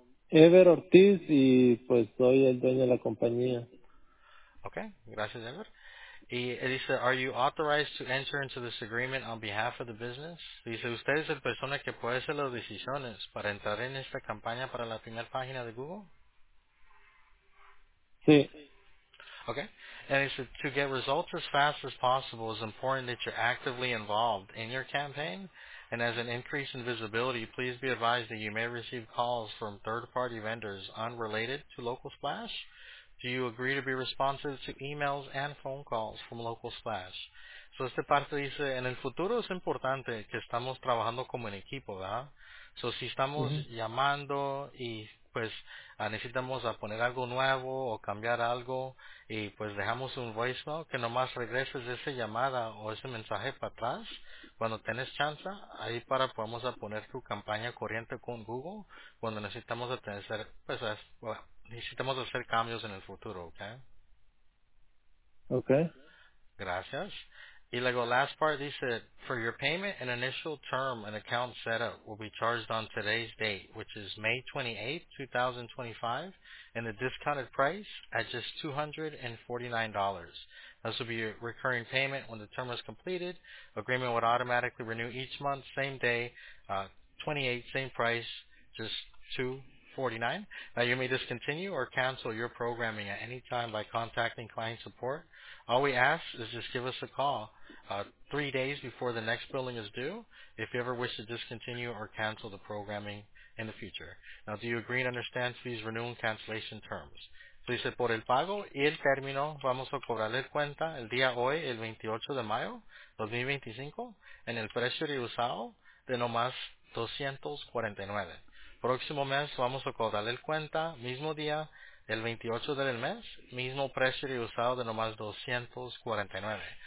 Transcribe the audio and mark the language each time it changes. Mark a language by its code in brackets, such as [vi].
[es] Ever Ortiz y pues soy el dueño de la compañía. Okay, gracias, Ever. Y dice, [en] are you authorized to enter into this agreement on behalf of the business? [es] Dice, usted es la persona que puede hacer las decisiones para entrar en esta campaña para la primera página de Google? Sí. [en] Okay. And he said, to get results as fast as possible, it's important that you're actively involved in your campaign. And as an increase in visibility, please be advised that you may receive calls from third-party vendors unrelated to Local Splash. Do you agree to be responsive to emails and phone calls from Local Splash? So, [es] esta parte dice, en el futuro es importante que estamos trabajando como en equipo, ¿verdad? [en] So, [es] si estamos llamando y, pues, necesitamos a poner algo nuevo o cambiar algo y, pues, dejamos un voicemail, que nomás regreses esa llamada o ese mensaje para atrás, cuando tienes chance, ahí para podemos a poner tu campaña corriente con Google, cuando necesitamos a tener, pues, necesitamos hacer cambios en el futuro, ¿ok? [en] Okay. [es] Gracias. Y luego, [en] last part, [es] dice, [en] for your payment, an initial term and account setup will be charged on today's date, which is May 28, 2025, and the discounted price at just $249. This will be your recurring payment when the term is completed. Agreement would automatically renew each month, same day, 28, same price, just $249. Now, you may discontinue or cancel your programming at any time by contacting client support. All we ask is just give us a call 3 days before the next billing is due if you ever wish to discontinue or cancel the programming in the future. Now, do you agree and understand fees, renewal, and cancellation terms? [es] Dice, por el pago y el término, vamos a cobrarle cuenta el día hoy, el 28 de mayo, 2025, en el precio reusado de no más $249. Próximo mes, vamos a cobrarle cuenta, mismo día, el 28 del mes, mismo precio reusado de no más $249.